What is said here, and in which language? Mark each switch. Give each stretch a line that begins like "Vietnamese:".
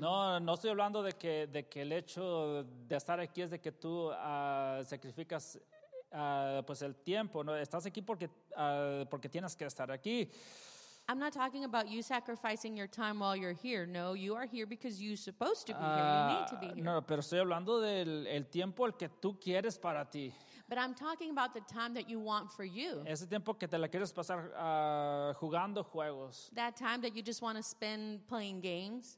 Spanish: No estoy hablando de que el hecho de estar aquí es de que tú sacrificas pues el tiempo, ¿no? Estás aquí porque tienes que estar aquí.
English: I'm not talking about you sacrificing your time while you're here. No, you are here because you're supposed to be here. You need to be here.
Spanish: No, pero estoy hablando del el tiempo el que tú quieres para ti.
English: But I'm talking about the time that you want for you.
Spanish: Ese tiempo que te la quieres pasar jugando juegos.
English: That time that you just want to spend playing games.